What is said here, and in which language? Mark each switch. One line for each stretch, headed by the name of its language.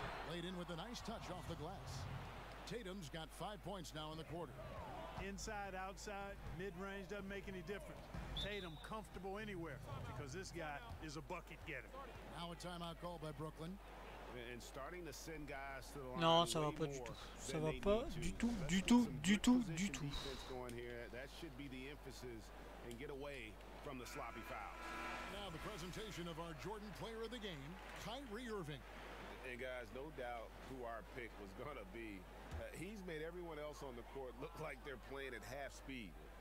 English: Laid in with a nice touch off the glass. Tatum's got 5 points now in the quarter. Inside, outside, mid-range doesn't make any difference. Tatum comfortable anywhere because this guy is a bucket getter. Now a timeout call by Brooklyn. And starting to send guys to the line.
French: Non, ça va pas du tout. Ça va pas du tout, du tout, du tout, du tout.
English: Defense going here. That should be the emphasis and get away from the sloppy fouls. Now the presentation of our Jordan player of the game, Kyrie Irving. And guys, no doubt who our pick was going to be. He's made everyone else on the court look like they're playing at half speed.